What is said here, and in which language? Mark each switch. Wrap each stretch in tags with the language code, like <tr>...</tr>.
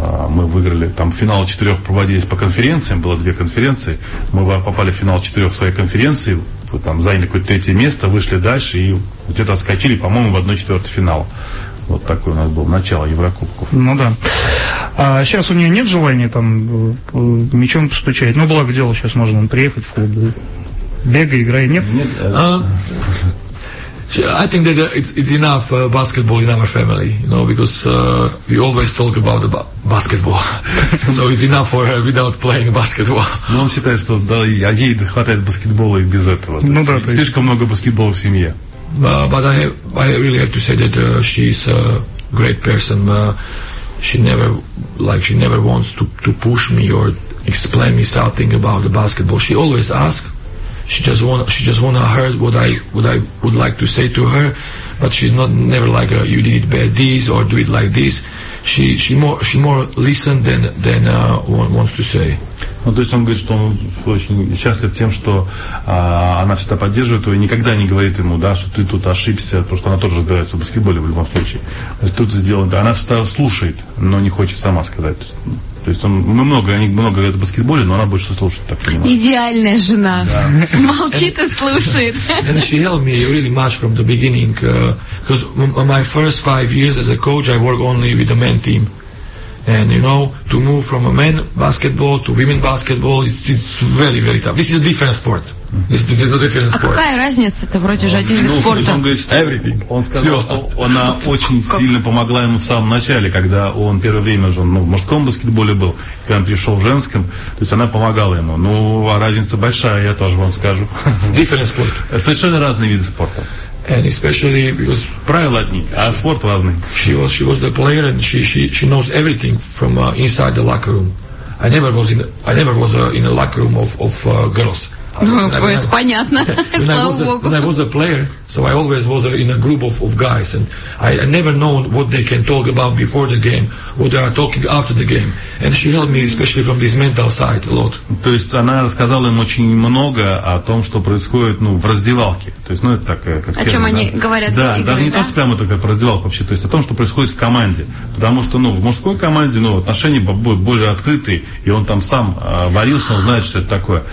<ru>Мы выиграли, там финал четырех проводились по конференциям, было две конференции, мы попали в финал четырех своей конференции, там заняли какое-то третье место, вышли дальше и где-то отскочили, по-моему, в 1/4 финала. Вот такое у нас было начало Еврокубков. Ну да. А сейчас у нее нет желания там мячом постучать? Ну, благо дело, сейчас можно приехать в клуб. Бегай, играй, нет? Нет.</ru> <en>I think that it's enough basketball in our family, you know, because we always talk about the basketball. So it's enough for her without playing basketball.</en> <ru>Но он считает, что да, а ей хватает баскетбола и без этого. Ну да, слишком много баскетбола в семье.</ru> <en>But I really have to say that she's a great person. She never wants to push me or explain me something about the basketball. She always asks. She just wanna hear what I would like to say to her, but she's not never like a, you did it bad this or do it like this. She more listen than wants to say.</en> <ru>Ну, то есть он говорит, что он очень счастлив тем, что она всегда поддерживает его и никогда не говорит ему, да, что ты тут ошибся, потому что она тоже разбирается в баскетболе в любом случае. То есть тут сделано, она всегда слушает, но не хочет сама сказать. То есть они много говорят о баскетболе, но она больше слушает, так понимаю. Идеальная жена. Да. Молчит and, и слушает.</ru> <en>And she helped me really much from the beginning. Because my first five years as a coach, I worked only with the men team. And you know, to move from a men basketball to women basketball, it's very, very tough. This is a different sport. It's a different sport.</en> <ru>А какая разница? Это вроде же один вид спорта. Он говорит, everything. Он сказал, все. Что она очень сильно помогла ему в самом начале, когда он первое время уже в мужском баскетболе был, когда он пришел в женском. То есть она помогала ему. Ну, а разница большая, я тоже вам скажу.</ru> <en>Different sport.</en> <ru>Совершенно разные виды спорта.</ru> <en>And especially because</en> <ru>правила одни, а спорт разный.</ru> <en>She was the player and she knows everything from inside the locker room. I never was in a locker room of girls.</en> <ru>Это понятно.</ru> <en>When I was a player, so I always was in a group of guys, and I never known what they can talk about before the game, what they are talking after the game. And she helped me especially from this mental side a lot.</en> <ru>То есть она рассказала им очень много о том, что происходит в раздевалке. То есть, это так, как о чем они говорят. Да, даже не то, что прямо такая про раздевалку вообще, то есть о том, что происходит в команде. Потому что в мужской команде отношения более открытые, и он там сам варился, он знает, что это такое.</ru>